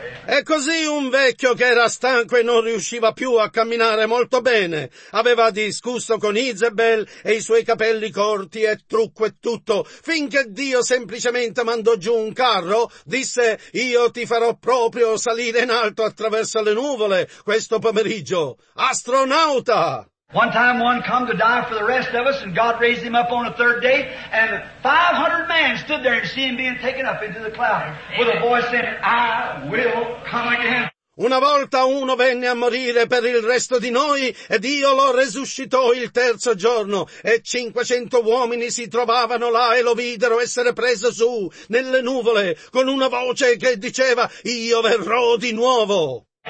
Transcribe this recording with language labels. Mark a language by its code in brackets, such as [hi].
[it] E così un vecchio che era stanco e non riusciva più a camminare molto bene, aveva discusso con Isabel e i suoi capelli corti e trucco e tutto, finché Dio semplicemente mandò giù un carro, disse: «Io ti farò proprio salire in alto attraverso le nuvole questo pomeriggio, astronauta!» [en] One time one come to die for the rest of us, and God raised him up on the third day, and 500 men stood there and see him being taken up into the clouds, with a voice saying, I will come again. [it] Una volta uno venne a morire per il resto di noi, e Dio lo resuscitò il terzo giorno, e 500 uomini si trovavano là e lo videro essere preso su, nelle nuvole, con una voce che diceva, io verrò di nuovo.